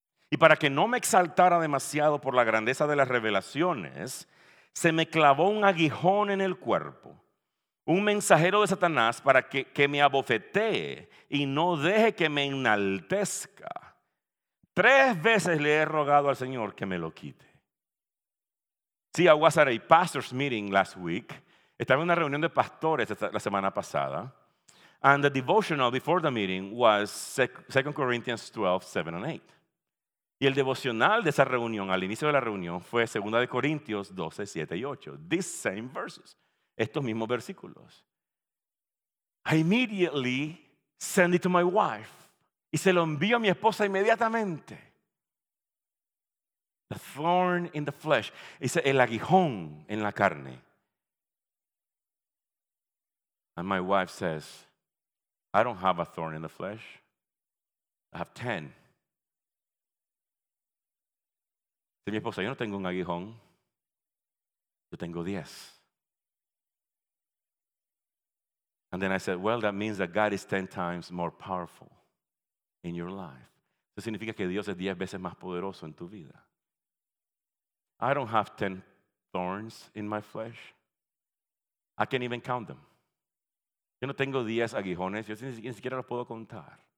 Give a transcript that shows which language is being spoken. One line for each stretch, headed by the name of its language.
Spanish: Y para que no me exaltara demasiado por la grandeza de las revelaciones, se me clavó un aguijón en el cuerpo, un mensajero de Satanás para que me abofetee y no deje que me enaltezca. Tres veces le he rogado al Señor que me lo quite.
English: See, I was at a pastor's meeting last week.
Spanish: Estaba en una reunión de pastores la semana pasada.
English: And the devotional before the meeting was 2 Corinthians 12, 7 and 8.
Spanish: Y el devocional de esa reunión, al inicio de la reunión, fue 2 Corintios 12, 7 y 8.
English: These same verses.
Spanish: Estos mismos versículos.
English: I immediately send it to my wife.
Spanish: Y se lo envío a mi esposa inmediatamente.
English: The thorn in the flesh.
Spanish: Dice, el aguijón en la carne.
English: And my wife says, I don't have a thorn in the flesh. I have 10.
Spanish: Mi esposa, yo no tengo un aguijón, yo tengo 10.
English: And then I said, well, that means that God is 10 times more powerful in your life.
Spanish: Eso significa que Dios es 10 veces más poderoso en tu vida.
English: I don't have 10 thorns in my flesh. I can't even count them.
Spanish: Yo no tengo 10 aguijones, yo ni siquiera los puedo contar.